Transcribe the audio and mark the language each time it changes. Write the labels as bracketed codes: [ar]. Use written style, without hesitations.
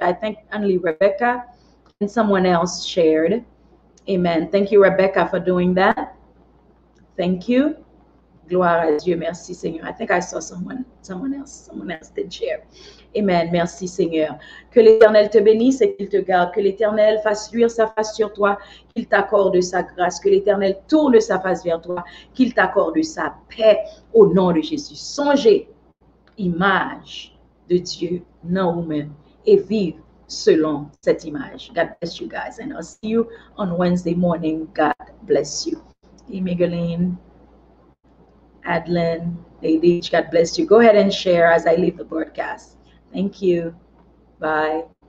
[en] I think only Rebecca and someone else shared. Amen. Thank you, Rebecca, for doing that. Thank you. [fr] Gloire à Dieu. Merci, Seigneur. [en] I think I saw someone else did share. [fr] Amen. Merci, Seigneur. Que l'Éternel te bénisse et qu'il te garde. Que l'Éternel fasse luire sa face sur toi, qu'il t'accorde sa grâce. Que l'Éternel tourne sa face vers toi, qu'il t'accorde sa paix au nom de Jésus. Songez image de Dieu dans vous-même et vive selon cette image. [en] God bless you guys and I'll see you on Wednesday morning. God bless you. Emigaline, Adlin, Lady, God bless you. Go ahead and share as I leave the broadcast. Thank you. Bye.